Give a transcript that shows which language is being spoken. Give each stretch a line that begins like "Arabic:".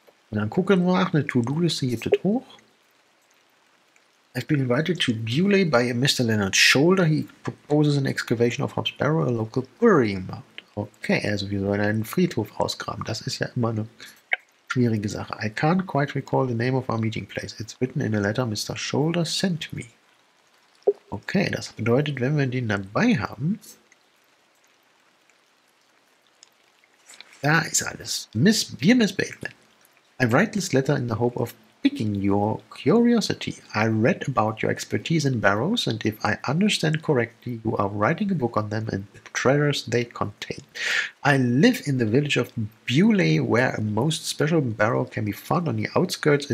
German: Und dann gucken wir nach, eine To-Do-Liste gibt es hoch.
English: I've been invited to Bewlay by a Mr. Leonard Shoulder. He proposes an excavation of Hob's Barrow, a local burying mound.
German: Okay, also wir sollen einen Friedhof ausgraben. Das ist ja immer eine schwierige Sache.
English: I can't quite recall the name of our meeting place. It's written in a letter Mr. Shoulder sent me.
German: Okay, das bedeutet, wenn wir den dabei haben, da ist alles.
English: Miss Bateman. I write this letter in the hope of piquing your curiosity. I read about your expertise in barrows, and if I understand correctly, you are writing a book on them and the treasures they contain. I live in the village of Bewlay, where a most special barrow can be found on the outskirts.